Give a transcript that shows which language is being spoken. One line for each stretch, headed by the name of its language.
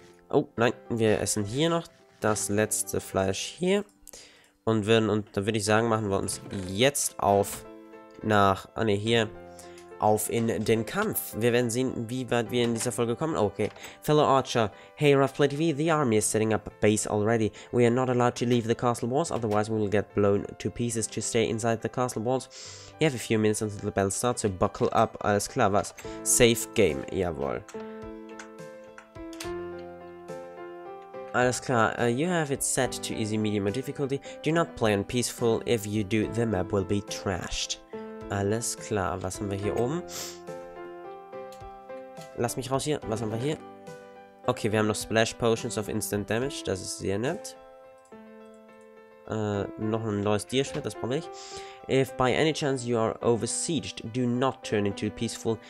German: Oh, nein, wir essen hier noch das letzte Fleisch hier. Und würden, und da würde ich sagen, machen wir uns jetzt auf nach, hier, auf in den Kampf. Wir werden sehen, wie weit wir in dieser Folge kommen.
English: Okay. Fellow Archer, hey Roughplay TV, the army is setting up a base already. We are not allowed to leave the castle walls, otherwise we will get blown to pieces to stay inside the castle walls. You have a few minutes until the battle starts, so buckle up.
German: Alles klar, was?
English: Safe game,
German: jawohl. Alles klar,
English: you have it set to easy, medium or difficulty. Do not play on peaceful. If you do, the map will be trashed.
German: Alles klar, was haben wir hier oben? Lass mich raus hier, was haben wir hier? Okay, wir haben noch Splash Potions of Instant Damage, das ist sehr nett. Noch ein neues Dierschwert, das brauche ich.
English: If by any chance you are oversieged, do not turn into peaceful.